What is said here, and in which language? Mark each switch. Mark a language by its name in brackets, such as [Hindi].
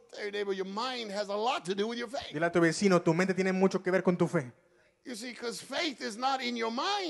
[English] Tell your neighbor, your mind has a lot to do with your faith. [Spanish] Dile a tu vecino, tu mente tiene mucho que ver con tu fe. [English] You see, because faith is not in your mind.